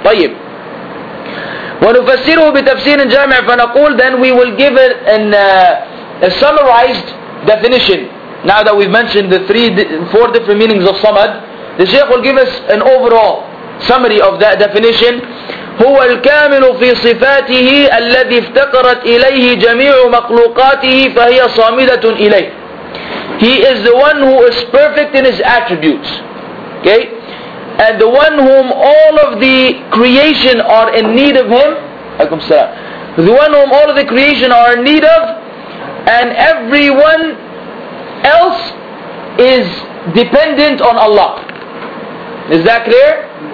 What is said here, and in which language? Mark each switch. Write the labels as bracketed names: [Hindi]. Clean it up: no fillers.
[Arabic] طيب. ونفسره بتفسير جامع فنقول. [English] Then we will give it a summarized definition. Now that we've mentioned the four different meanings of samad, the Shaykh will give us an overall summary of that definition. [Arabic] هو الكامل في صفاته الذي افتقرت إليه جميع مخلوقاته فهي صامدة إليه. [English] He is the one who is perfect in his attributes. Okay? And the one whom all of the creation are in need of him. Alaykum salam. The one whom all of the creation are in need of, and everyone else is dependent on Allah. Is that clear?